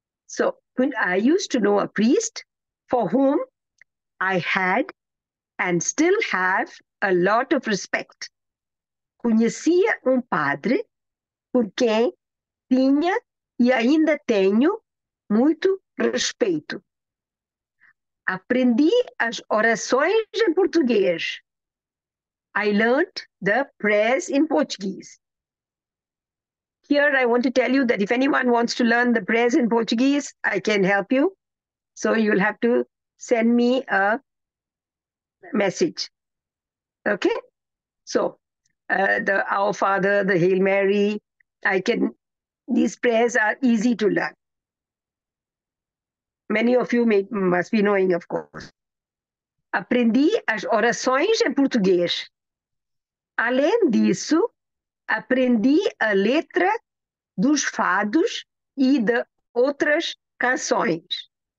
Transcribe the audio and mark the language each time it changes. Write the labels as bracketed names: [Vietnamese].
[English] So I used to know a priest for whom I had and still have a lot of respect. [Portuguese] Conhecia um padre porque tinha e ainda tenho muito respeito. Aprendi as orações em português. [English] I learned the prayers in Portuguese. Here I want to tell you that if anyone wants to learn the prayers in Portuguese, I can help you. So you'll have to send me a message. Okay? So, the Our Father, the Hail Mary, I can. These prayers are easy to learn. Many of you may, must be knowing, of course. [Portuguese] Aprendi as orações em português. Além disso, aprendi a letra dos fados e de outras canções.